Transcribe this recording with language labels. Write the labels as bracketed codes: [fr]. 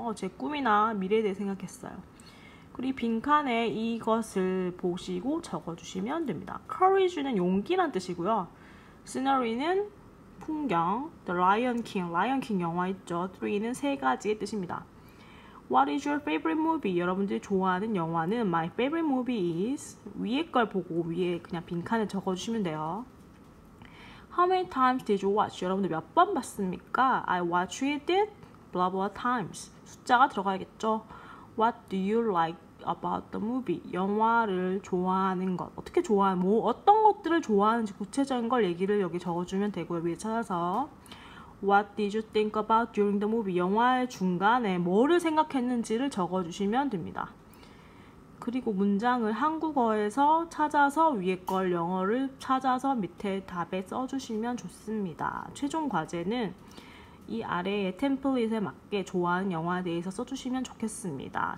[ko] 제 꿈이나 미래에 대해 생각했어요. 그리고 빈칸에 이것을 보시고 적어주시면 됩니다. Courage는 용기란 뜻이고요. Scenery는 풍경, The Lion King, Lion King 영화 있죠. [en] Three는 [ko] 세 가지의 뜻입니다. [en] What is your favorite movie? [ko] 여러분들이 좋아하는 영화는 [en] My favorite movie is [ko] 위에 걸 보고 위에 그냥 빈칸에 적어주시면 돼요. [en] How many times did you watch? [ko] 여러분들 몇 번 봤습니까? [en] I watched it blah blah times. [ko] 숫자가 들어가야겠죠. [en] What do you like about the movie? [ko] 영화를 좋아하는 것. 어떻게 좋아하는, 뭐 어떤 것들을 좋아하는지 구체적인 걸 얘기를 여기 적어주면 되고요. 위에 찾아서. [en] What did you think about during the movie? [ko] 영화의 중간에 뭐를 생각했는지를 적어주시면 됩니다. 그리고 문장을 한국어에서 찾아서 위에 걸 영어를 찾아서 밑에 답에 써주시면 좋습니다. 최종 과제는 이 아래의 템플릿에 맞게 좋아하는 영화에 대해서 써주시면 좋겠습니다.